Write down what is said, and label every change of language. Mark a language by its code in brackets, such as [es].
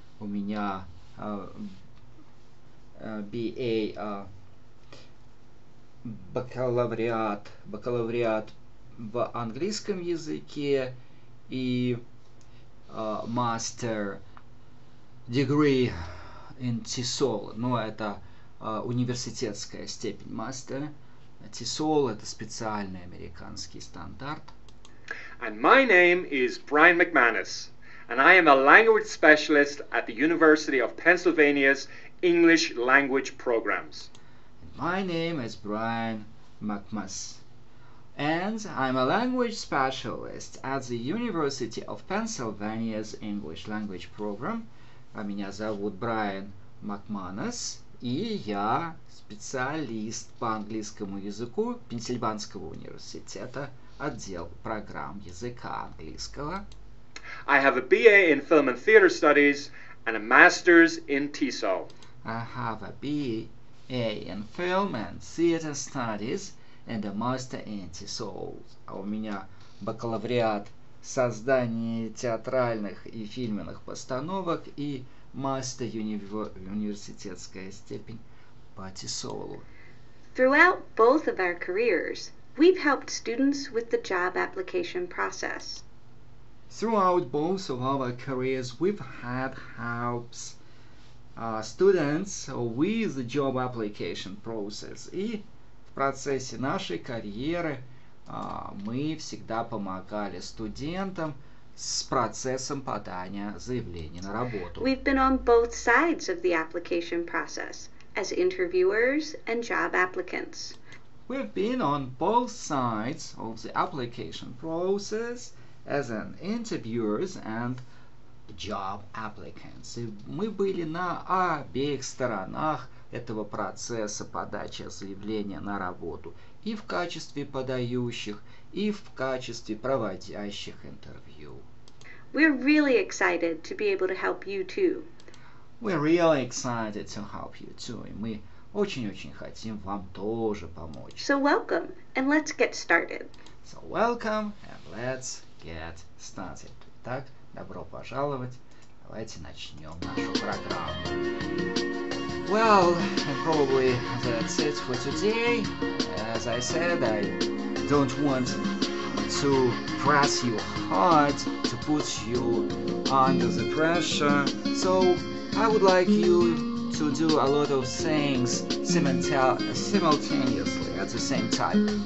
[ru] У меня BA, бакалавриат в английском языке и [en] master degree in TESOL. [ru] Ну, это университетская степень master. TESOL – это специальный американский стандарт. [en] And my name is Brian McManus, and I am a language specialist at the University of Pennsylvania's English Language Programs. My name is Brian McManus, and I'm a language specialist at the University of Pennsylvania's English Language Program. [ru] А меня зовут Брайан Макманус, и я специалист по английскому языку Пенсильванского университета, отдел программ языка английского. [en] I have a BA in Film and Theater Studies and a Master's in TESOL. I have a BA in Film and Theater Studies and a Master in TESOL. [ru] А у меня бакалавриат создания театральных и фильменных постановок и Master университетская степень по TESOL. [en] Throughout both of our careers, we've helped students with the job application process. Throughout both of our careers, we've had helps students with the job application process. [ru] И в процессе нашей карьеры мы всегда помогали студентам с процессом подания заявления на работу. [en] We've been on both sides of the application process as interviewers and job applicants. We've been on both sides of the application process as an interviewers and job applicants. [ru] И мы были на обеих сторонах этого процесса подачи заявления на работу и в качестве подающих, и в качестве проводящих интервью. [en] We're really excited to be able to help you too. We're really excited to help you too. [ru] И мы очень-очень хотим вам тоже помочь. [en] So welcome and let's get started. So welcome and let's get started. [ru] Итак, добро пожаловать. Давайте начнем нашу программу. [en] Well, probably that's it for today. As I said, I don't want to press you hard, to put you under the pressure. So I would like you to do a lot of things simultaneously at the same time.